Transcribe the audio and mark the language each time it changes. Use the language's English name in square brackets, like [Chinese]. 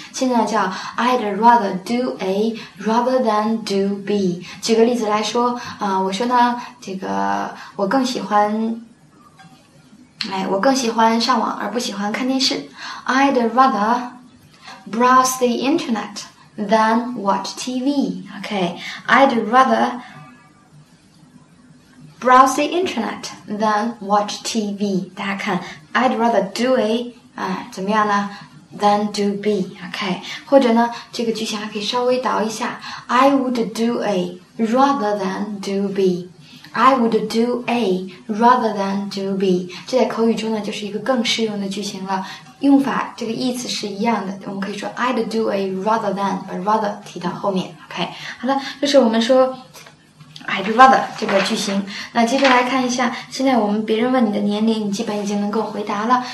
[Chinese] 现在叫 [English] I'd rather do A rather than do B. [Chinese] 举个例子来说啊、我说呢这个我更喜欢我更喜欢上网而不喜欢看电视。 [English] I'd rather browse the internet than watch TV. Okay, I'd rather browse the internet than watch TV. [Chinese] 大家看 [English] ,I'd rather do A, [Chinese] 怎么样呢 [English] ?than do B. [Chinese] Okay, 或者呢这个句型还可以稍微倒一下。 [English] I would do A rather than do B. I would do A rather than do B. [Chinese] 这在口语中呢就是一个更适用的句型了。用法这个意思是一样的。我们可以说 [English] I'd do A rather than, [Chinese] 把 rather 提到后面。 OK, 好了，这是我们说 I'd rather 这个句型。那接着来看一下，现在我们别人问你的年龄你基本已经能够回答了。